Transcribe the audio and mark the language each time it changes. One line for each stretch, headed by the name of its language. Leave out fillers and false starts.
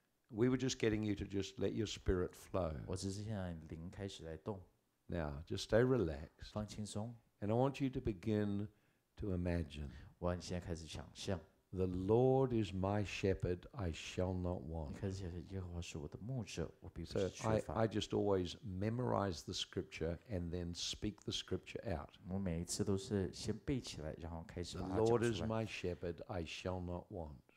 English: We were just getting you to just let your spirit flow.
Chinese: 我只是现在灵开始来动.
English: Now, just stay relaxed.
Chinese: 放轻松.
English: And I want you to begin to imagine.
Chinese: 我现在开始想象.
English: The Lord is my shepherd, I shall not want.
Chinese: 你开始想象耶和华是我的牧者, 我必不是缺乏.
English: So I just always memorize the scripture and then speak the scripture out.
Chinese: 我每一次都是先背起来, 然后开始把它讲出来.
English: The Lord is my shepherd, I shall not want.